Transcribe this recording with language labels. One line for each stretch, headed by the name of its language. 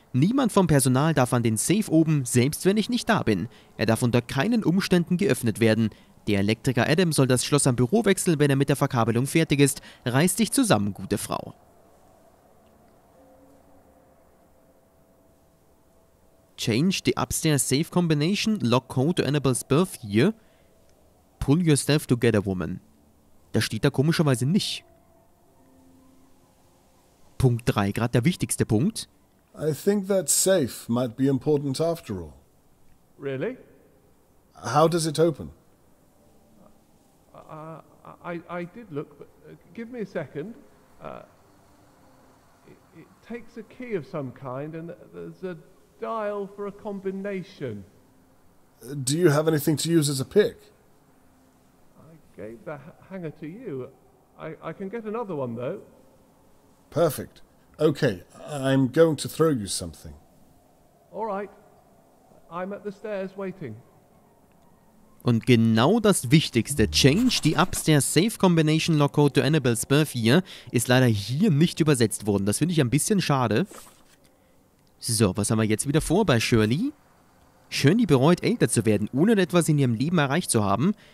German: Niemand vom Personal darf an den Safe oben, selbst wenn ich nicht da bin. Er darf unter keinen Umständen geöffnet werden. Der Elektriker Adam soll das Schloss am Büro wechseln, wenn er mit der Verkabelung fertig ist. Reiß dich zusammen, gute Frau.
English: Change the upstairs safe combination, lock code to Annabelle's birth year. Pull yourself together, woman.
German: Das steht da komischerweise nicht. Punkt 3, gerade der wichtigste Punkt.
English: I think that safe might be important after all. Really? How does it open? I did look, but give me a second. It takes a key of some kind and there's a dial for a combination. Do you have anything to use as a pick? Gave the hanger to you. I can get another one, though. Perfect. Okay, I'm going to throw you something. All right. I'm at the stairs waiting.
German: Und genau das Wichtigste,
English: Change,
German: die
English: Upstairs Safe Combination Lock Code to Annabelle's Birth Year,
German: ist leider hier nicht übersetzt worden. Das finde ich ein bisschen schade. So, was haben wir jetzt wieder vor bei Shirley? Shirley bereut, älter zu werden, ohne etwas in ihrem Leben erreicht zu haben.